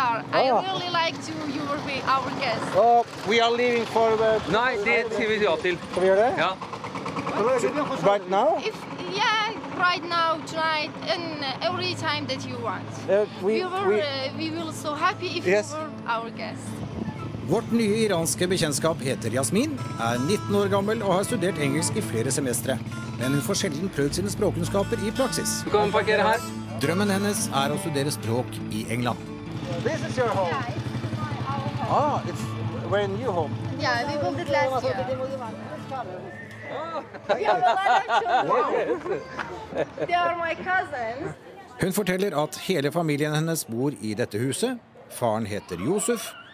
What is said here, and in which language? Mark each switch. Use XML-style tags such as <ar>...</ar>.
<en>Oh. I really like to you will be our guest. Oh, we are leaving for...</en> <no>No, det sier vi ja til. Kan vi gjøre det? Ja.</no> <en>Right now? Right now, tonight, and every time that you want. We will be so happy if yes. You were our guest.</en> <no>Vårt nye iranske bekjennskap heter Yasmin, er 19 år gammel og har studert engelsk i flere semestre. Men hun får sjelden prøvd sine språkkunnskaper i praksis. Du kan parkere her. Drømmen hennes er å studere språk i England.</no> <en>This is your home. Yeah, it's my home. Ah, it's your new home. Yeah, we built it last year. We have a lot of children. They are my cousins.</en> <no>Hun forteller at hele familien hennes bor i dette huset. Faren heter Josef.</no>